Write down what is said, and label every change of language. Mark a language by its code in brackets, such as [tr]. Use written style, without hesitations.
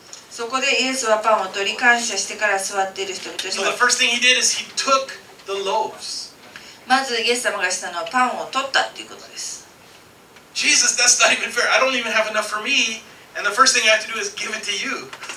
[ja] そこでイエスはパンを取り感謝してから座っている人々に。 [en] So the first thing he did is he took the loaves. [ja] まずイエス様がしたのはパンを取ったっていうことです。 [en] Jesus, that's not even fair. I don't even have enough for me. And the first thing I have to do is give it to you.